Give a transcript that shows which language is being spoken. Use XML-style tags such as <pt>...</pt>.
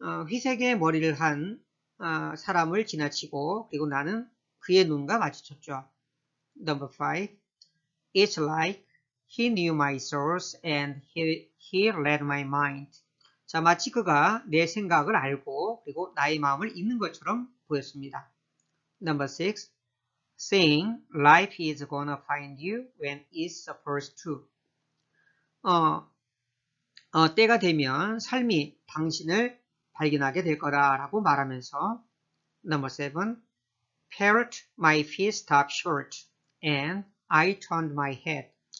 <ko>회색의 머리를 한 사람을 지나치고 그리고 나는 그의 눈과 마주쳤죠.</ko> <en>Number five, it's like he knew my source and he read my mind.</en> <ko>자, 마치 그가 내 생각을 알고 그리고 나의 마음을 읽는 것처럼 보였습니다.</ko> <en>Number six, saying life is gonna find you when it's supposed to.</en> <ko>때가 되면 삶이 당신을 발견하게 될 거다라고 말하면서</ko> <en>Number seven, felt my feet stop short and I turned my head.</en>